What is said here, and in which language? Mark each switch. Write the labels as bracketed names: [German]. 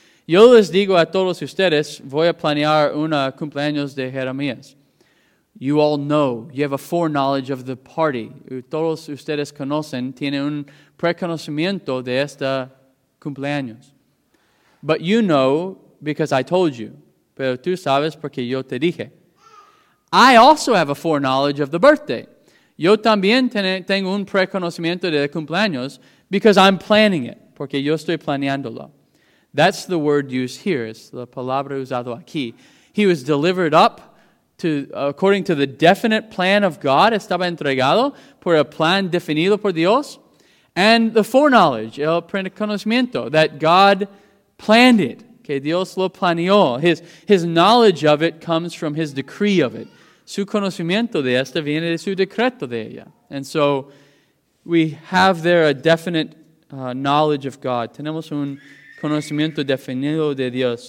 [Spanish] Yo les digo a todos ustedes, voy a planear una cumpleaños de Jeremías. [English] You all know, you have a foreknowledge of the party. [Spanish] Todos ustedes conocen, tienen un preconocimiento de esta cumpleaños. [English] But you know because I told you. [Spanish] Pero tú sabes porque yo te dije. [English] I also have a foreknowledge of the birthday. [Spanish] Yo también tengo un preconocimiento de cumpleaños [English] because I'm planning it, [Spanish] porque yo estoy planeándolo. [English] That's the word used here. [Spanish] Es la palabra usado aquí. [English] He was delivered up to according to the definite plan of God. [Spanish] Estaba entregado por el plan definido por Dios. [English] And the foreknowledge, [Spanish] el preconocimiento, [English] that God planned it. [Spanish] Que Dios lo planeó. [English] His knowledge of it comes from his decree of it. [Spanish] Su conocimiento de esta viene de su decreto de ella. [English] And so we have there a definite knowledge of God. [Spanish] Tenemos un conocimiento definido de Dios.